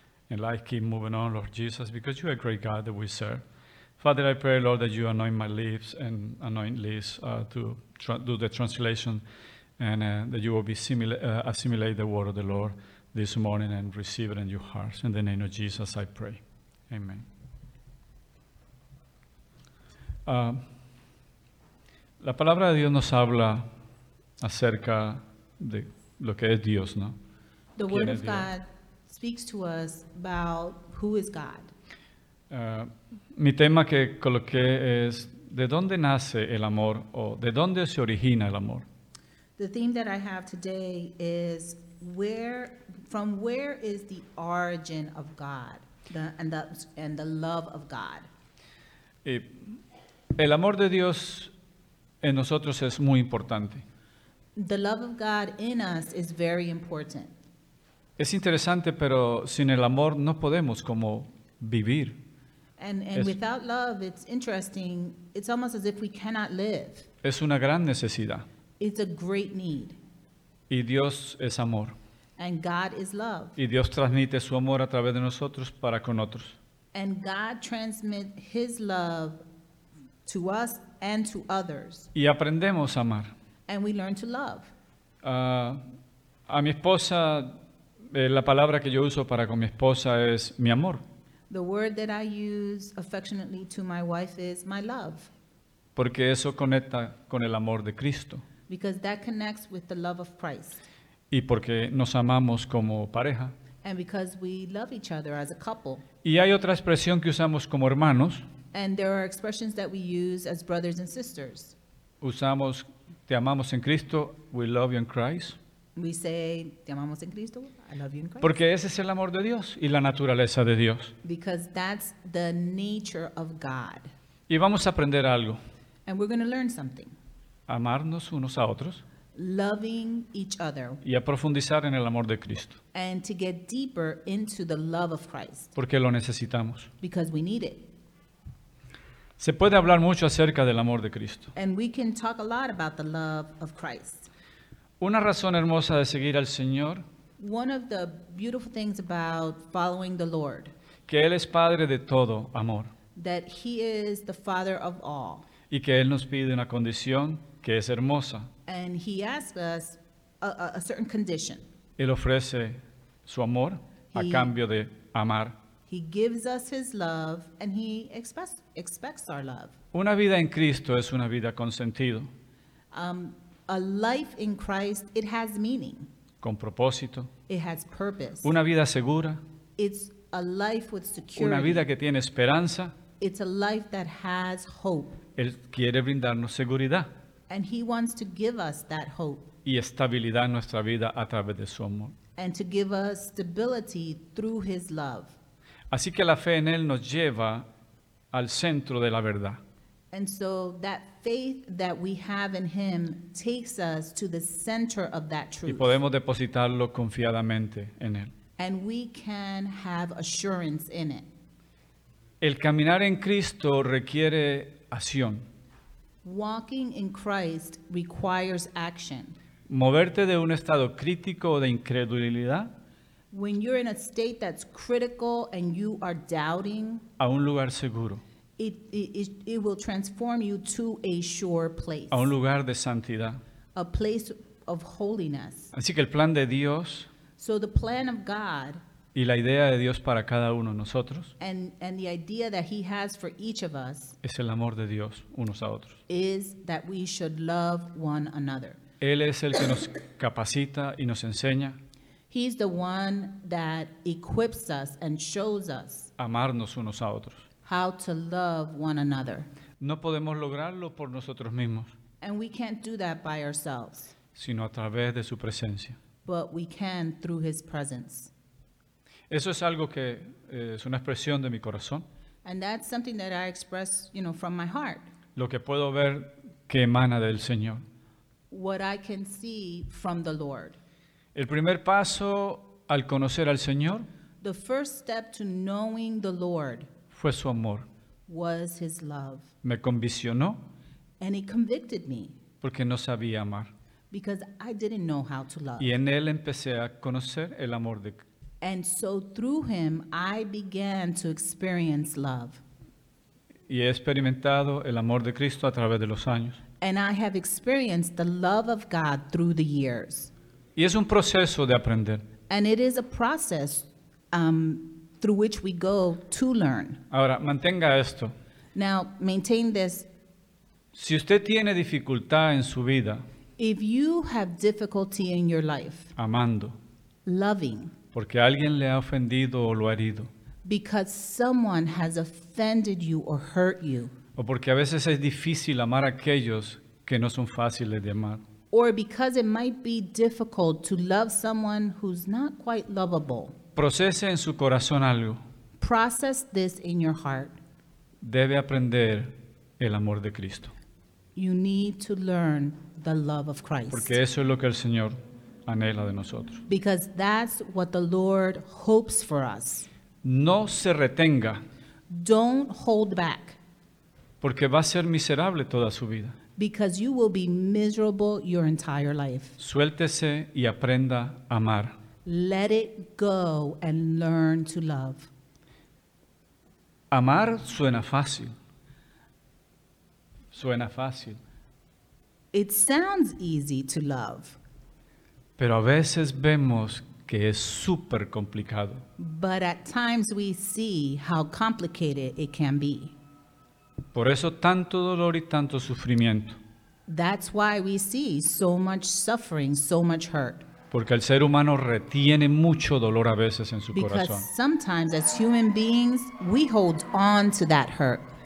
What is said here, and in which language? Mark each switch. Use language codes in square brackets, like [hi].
[en] And life keep moving on, Lord Jesus, because you are a great God that we serve. Father, I pray, Lord, that you anoint my lips and anoint Liz to do the translation, and that you will be assimilate the word of the Lord this morning and receive it in your hearts. In the name of Jesus, I pray. Amen. [es] La palabra de Dios nos habla acerca de lo que es Dios, ¿no? [en] The word of God speaks to us about who is God. [es] Mi tema que coloqué es ¿de dónde nace el amor o de dónde se origina el amor? [en] The theme that I have today is from where is the origin of God and the love of God. [es] Y el amor de Dios en nosotros es muy importante. [en] The love of God in us is very important. [es] Es interesante, pero sin el amor no podemos como vivir. [en] And without love, it's interesting. It's almost as if we cannot live. [es] Es una gran necesidad. [en] It's a great need. [es] Y Dios es amor. [en] And God is love. [es] Y Dios transmite su amor a través de nosotros para con otros. [en] And God transmits his love to us and to others. [es] Y aprendemos a amar. [en] And we learn to love. [es] A mi esposa, la palabra que yo uso para con mi esposa es mi amor. [en] The word that I use affectionately to my wife is my love. [es] Porque eso conecta con el amor de Cristo. [en] Because that connects with the love of Christ. [es] Y porque nos amamos como pareja. [en] And because we love each other as a couple. [es] Y hay otra expresión que usamos como hermanos. [en] And there are expressions that we use as brothers and sisters. [es] Usamos, te amamos en Cristo, [en] we love you in Christ. We say, [es] te amamos en Cristo, [en] I love you in Christ. [es] Porque ese es el amor de Dios y la naturaleza de Dios. [en] Because that's the nature of God. [es] Y vamos a aprender algo. [en] And we're going to learn something. [es] Amarnos unos a otros. [en] Loving each other. [es] Y a profundizar en el amor de Cristo. [en] And to get deeper into the love of Christ. [es] Porque lo necesitamos. [en] Because we need it. [es] Se puede hablar mucho acerca del amor de Cristo. [en] And we can talk a lot about the love of Christ. [es] Una razón hermosa de seguir al Señor. [en] One of the beautiful things about following the Lord. [es] Que Él es Padre de todo amor. [en] That He is the Father of all. [es] Y que Él nos pide una condición que es hermosa. [en] And He asks us a certain condition. [es] Él ofrece su amor a cambio de amar. [en] He gives us His love and He expects our love. [es] Una vida en Cristo es una vida con sentido. [en] A life in Christ, it has meaning. [es] Con propósito. [en] It has purpose. [es] Una vida segura. [en] It's a life with security. [es] Una vida que tiene esperanza. [en] It's a life that has hope. [es] Él quiere brindarnos seguridad. [en] And he wants to give us that hope. [es] Y estabilidad en nuestra vida a través de su amor. [en] And to give us stability through his love. [es] Así que la fe en él nos lleva al centro de la verdad. [en] And so that faith that we have in him takes us to the center of that truth. [es] Y podemos depositarlo confiadamente en él. [en] And we can have assurance in it. [es] El caminar en Cristo requiere acción. [en] Walking in Christ requires action. [es] Moverte de un estado crítico o de incredulidad. [en] When you're in a state that's critical and you are doubting. [es] A un lugar seguro. [en] It will transform you to a sure place. [es] A un lugar de santidad. [en] A place of holiness. [es] Así que el plan de Dios. [en] So the plan of God. [es] Y la idea de Dios para cada uno de nosotros. [en] And the idea that he has for each of us. [es] Es el amor de Dios unos a otros. [en] Is that we should love one another. [es] Él es el que nos capacita y nos enseña. [en] He's the one that equips us and shows us. [es] Amarnos unos a otros. [en] How to love one another. [es] No podemos lograrlo por nosotros mismos. [en] And we can't do that by ourselves. [es] Sino a través de su presencia. [en] But we can through his presence. [es] Eso es algo que es una expresión de mi corazón. [en] And that's something that I express, you know, from my heart. [es] Lo que puedo ver que emana del Señor. [en] What I can see from the Lord. [es] El primer paso al conocer al Señor. [en] The first step to knowing the Lord. [es] Fue su amor. [en] Was his love. [es] Me convicionó. [en] And he convicted me. [es] Porque no sabía amar. [en] Because I didn't know how to love. [es] Y en él empecé a conocer el amor de. [en] And so through him I began to experience love. [es] Y he experimentado el amor de Cristo a través de los años. [en] And I have experienced the love of God through the years. [es] Y es un proceso de aprender. [en] And it is a process through which we go to learn. [es] Ahora, mantenga esto. [en] Now, maintain this. [es] Si usted tiene dificultad en su vida. [en] If you have difficulty in your life. [es] Amando. [en] Loving. [es] Porque alguien le ha ofendido o lo ha herido. [en] Because someone has offended you or hurt you. [es] O porque a veces es difícil amar a aquellos que no son fáciles de amar. [en] Or because it might be difficult to love someone who's not quite lovable. [es] Procese en su corazón algo. [en] Process this in your heart. [es] Debe aprender el amor de Cristo. [en] You need to learn the love of Christ. [es] Porque eso es lo que el Señor anhela de nosotros. [en] Because that's what the Lord hopes for us. [es] No se retenga. [en] Don't hold back. [es] Porque va a ser miserable toda su vida. [en] Because you will be miserable your entire life. [es] Suéltese y aprenda a amar. [en] Let it go and learn to love. [es] Amar suena fácil. Suena fácil. [en] It sounds easy to love. [es] Pero a veces vemos que es súper complicado. [en] But at times we see how complicated it can be. [es] Por eso tanto dolor y tanto sufrimiento. [en] That's why we see so much suffering, so much hurt. [es] Porque el ser humano retiene mucho dolor a veces en su [en] Because [es] corazón. [en] Because sometimes as human beings, we hold on to that hurt.